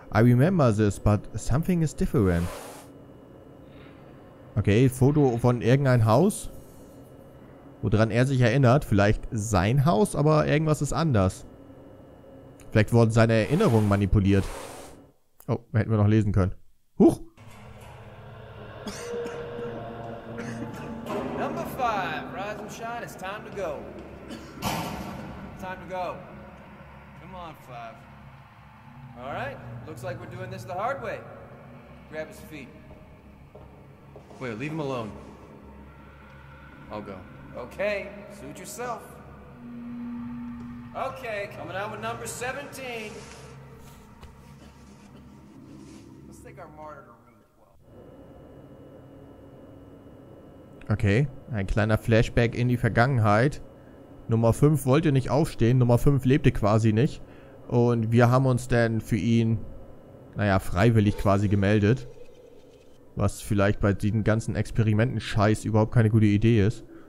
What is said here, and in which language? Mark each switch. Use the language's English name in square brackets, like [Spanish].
[English] I remember this, but something is different. [German] Okay, Foto von irgendein Haus, woran er sich erinnert. Vielleicht sein Haus, aber irgendwas ist anders. Vielleicht wurden seine Erinnerungen manipuliert. Oh, hätten wir noch lesen können. Huch! [English] Number 5, rise and shine, it's time to go. Time to go. Come on, 5. Alright, looks like we're doing this the hard way. Grab his feet. Wait, leave him alone. I'll go. Okay, suit yourself. Okay, coming out with number 17. Let's take our martyr to room 12. [German] Okay, ein kleiner Flashback in die Vergangenheit. Nummer 5 wollte nicht aufstehen, Nummer 5 lebte quasi nicht. Und wir haben uns dann für ihn, naja, freiwillig quasi gemeldet. Was vielleicht bei diesen ganzen Experimenten-Scheiß überhaupt keine gute Idee ist.